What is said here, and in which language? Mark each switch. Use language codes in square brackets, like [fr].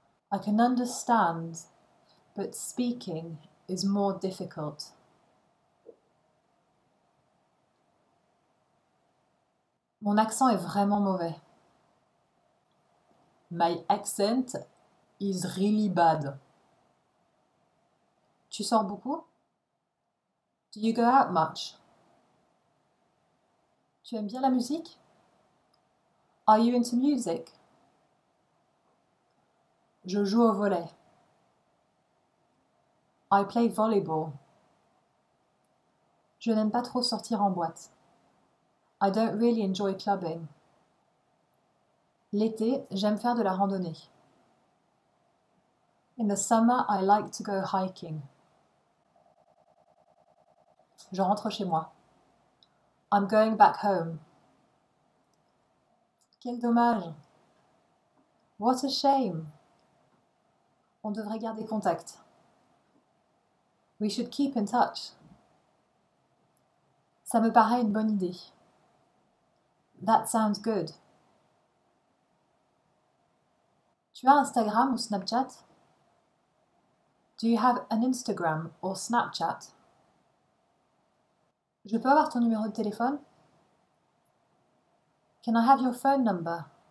[en] I can understand, but speaking is more difficult. [fr] Mon accent est vraiment mauvais. [en] My accent is really bad. [fr] Tu sors beaucoup? [en] Do you go out much? [fr] Tu aimes bien la musique? [en] Are you into music? [fr] Je joue au volley. [en] I play volleyball. [fr] Je n'aime pas trop sortir en boîte. [en] I don't really enjoy clubbing. [fr] L'été, j'aime faire de la randonnée. [en] In the summer, I like to go hiking. [fr] Je rentre chez moi. [en] I'm going back home. [fr] Quel dommage. [en] What a shame. [fr] On devrait garder contact. [en] We should keep in touch. [fr] Ça me paraît une bonne idée. [en] That sounds good. [fr] Tu as Instagram ou Snapchat? [en] Do you have an Instagram or Snapchat? [fr] Je peux avoir ton numéro de téléphone? [en] Can I have your phone number?